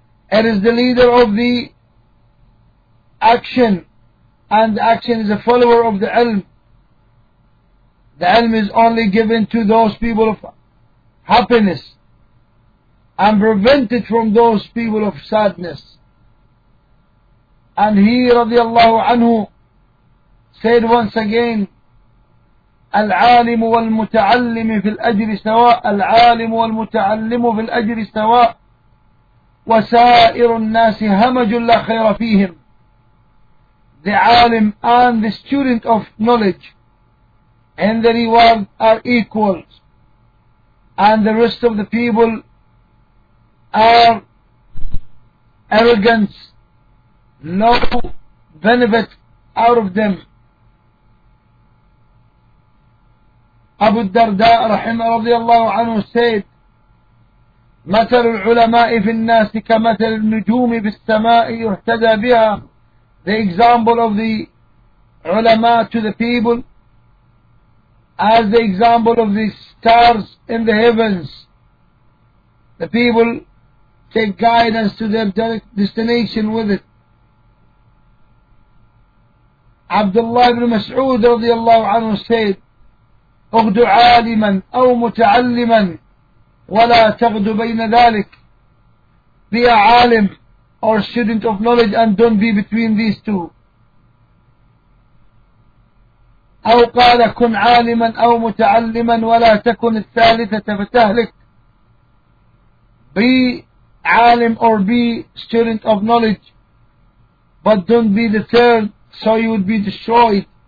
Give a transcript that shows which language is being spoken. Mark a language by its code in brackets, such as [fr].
[en] It is the leader of the action, and the action is a follower of the ilm. The ilm is only given to those people of happiness and prevented from those people of sadness. And he radiallahu anhu said once again, [ar] العالم والمتعلم في الأجر سواء العالم والمتعلم في الأجر سواء وسائر الناس همج لا خير فيهم. [en] The alim and the student of knowledge and the reward are equals, and the rest of the people are arrogance, no benefit out of them. Abu Darda rahimah radiyallahu anhu said, [ar] مثل العلماء في الناس كمثل النجوم في السماء يهتدى بها. [en] The example of the ulama to the people as the example of the stars in the heavens. The people take guidance to their destination with it. Abdullah ibn Mas'ud radiyallahu anhu said, [ar] اغد عالما او متعلما ولا تغد بين ذلك. [en] Be a alim or student of knowledge and don't be between these two. [ar] او قال كن عالما او متعلما ولا تكن الثالثة فتهلك. [en] Be alim or be student of knowledge but don't be the third so you would be destroyed.